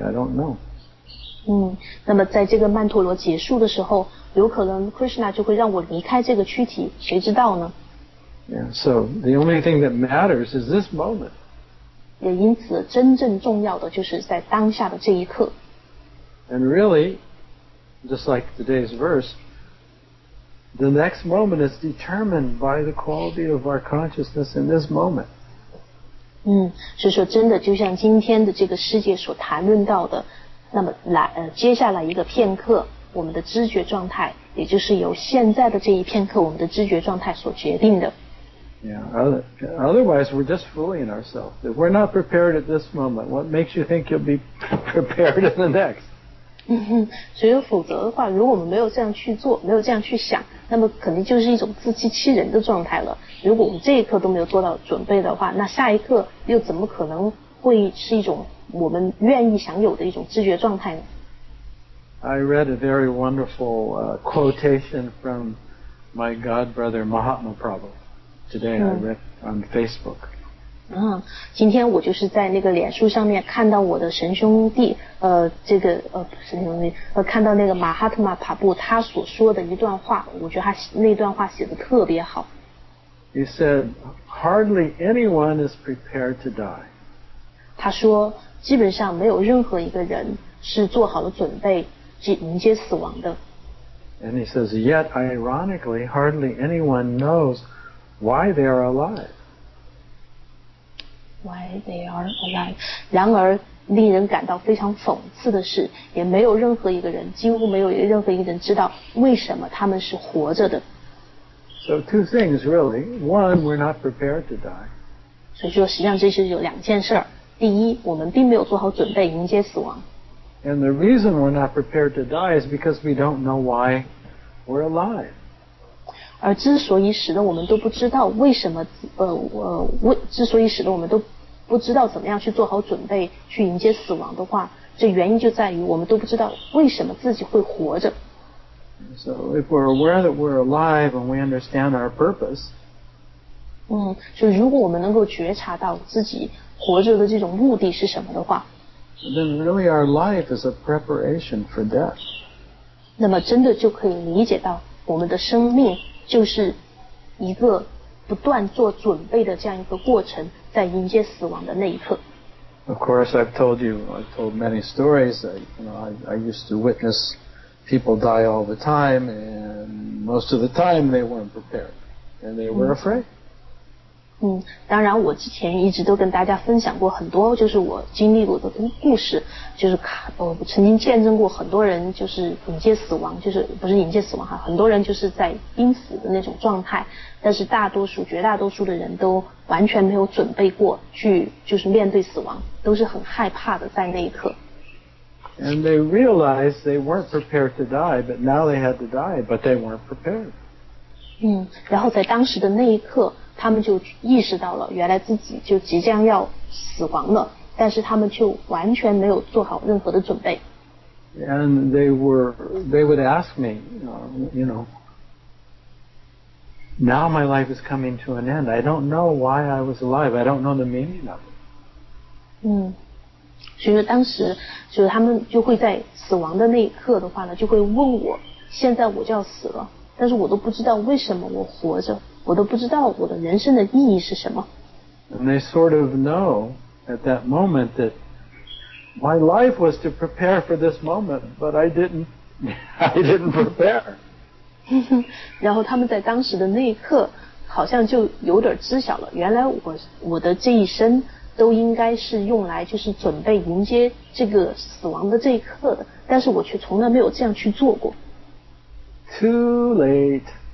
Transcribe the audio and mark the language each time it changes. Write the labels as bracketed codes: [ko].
[en] I don't know. [zh] 那么在这个曼陀罗结束的时候，有可能 Krishna 就会让我离开这个躯体，谁知道呢？ [en] Yeah. So the only thing that matters is this moment. [zh] 也因此，真正重要的就是在当下的这一刻。 [en] And really, just like today's verse, the next moment is determined by the quality of our consciousness in this moment. [zh] 所以说真的就像今天的这个世界所谈论到的那么来接下来一个片刻我们的知觉状态也就是由现在的这一片刻我们的知觉状态所决定的 [en] Yeah, otherwise we're just fooling ourselves if we're not prepared at this moment what makes you think you'll be prepared in the next [zh] 所以否则的话如果我们没有这样去做没有这样去想那么肯定就是一种自欺欺人的状态了如果我们这一刻都没有做到准备的话那下一刻又怎么可能会是一种我们愿意享有的一种知觉状态呢 [en] I read a very wonderful quotation from my godbrother Mahatma Prabhu today I read on Facebook [zh] 今天我就是在那个脸书上面看到我的神兄弟这个不是神兄弟看到那个马哈特玛帕布他所说的一段话我觉得他那段话写得特别好 [en] He said hardly anyone is prepared to die [zh] 他说基本上没有任何一个人是做好了准备去迎接死亡的 [en] And he says yet ironically hardly anyone knows why they are alive Why they are alive. [zh] 然而令人感到非常讽刺的是也没有任何一个人几乎没有任何一个人知道为什么他们是活着的。 [en] So two things really. One, we're not prepared to die. [zh] 所以说实际上这是有两件事。第一我们并没有做好准备迎接死亡。 [en] And the reason we're not prepared to die is because we don't know why we're alive. [zh] 而之所以使得我们都不知道为什么之所以使得我们都不知道怎么样去做好准备去迎接死亡的话这原因就在于我们都不知道为什么自己会活着 [en] So if we're aware that we're alive and we understand our purpose [zh] 就如果我们能够觉察到自己活着的这种目的是什么的话 [en] Then really our life is a preparation for death [zh] 那么真的就可以理解到我们的生命就是一个不断做准备的这样一个过程在迎接死亡的那一刻 [en] Of course, I've told you, I've told many stories. I used to witness people die all the time, and most of the time they weren't prepared, and they were afraid. [zh] 当然我之前一直都跟大家分享过很多就是我经历过的故事，就是我曾经见证过很多人就是迎接死亡，就是不是迎接死亡哈，很多人就是在濒死的那种状态，但是大多数绝大多数的人都完全没有准备过去就是面对死亡，都是很害怕的在那一刻。 [en] And they realized they weren't prepared to die, but now they had to die, but they weren't prepared. [zh] 然后在当时的那一刻他们就意识到了原来自己就即将要死亡了，但是他们就完全没有做好任何的准备。 [en] And they would ask me, you know, now my life is coming to an end. I don't know why I was alive. I don't know the meaning of it. [zh] 所以说当时就是他们就会在死亡的那一刻的话呢，就会问我，现在我就要死了，但是我都不知道为什么我活着，我都不知道我的人生的意义是什么。 [en] And they sort of know at that moment that my life was to prepare for this moment, but I didn't prepare. [zh] 然后他们在当时的那一刻好像就有点知晓了，原来我的这一生都应该是用来就是准备迎接这个死亡的这一刻的，但是我却从来没有这样去做过。 [en] Too late.